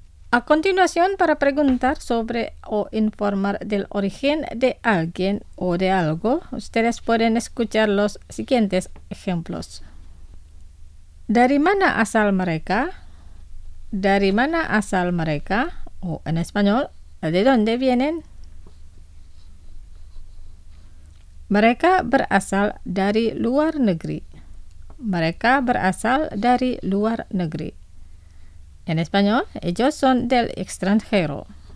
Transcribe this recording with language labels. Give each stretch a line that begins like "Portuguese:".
Spanish: A continuación, para preguntar sobre o informar del origen de alguien o de algo, ustedes pueden escuchar los siguientes ejemplos.
Indonesian: ¿Dari mana asal mereka? ¿Dari mana asal mereka?
Spanish: O en español, ¿de dónde vienen?
Indonesian: Mereka berasal dari luar negeri. Mereka berasal dari luar negeri.
Spanish: En español, ellos son del extranjero.